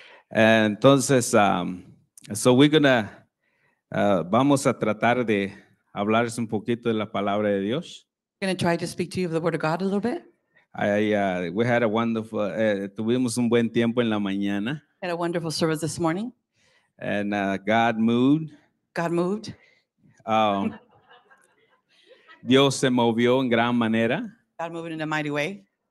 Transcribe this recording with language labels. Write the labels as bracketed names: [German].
[Spanish] Entonces, vamos a tratar de hablarles un poquito de la palabra de Dios. [English] I'm going to try to speak to you of the word of God a little bit. We had a wonderful, [Spanish] tuvimos un buen tiempo en la mañana. [English] Had a wonderful service this morning. And God moved. God moved. [Spanish] Dios se movió en gran manera. [English] God moved in a mighty way.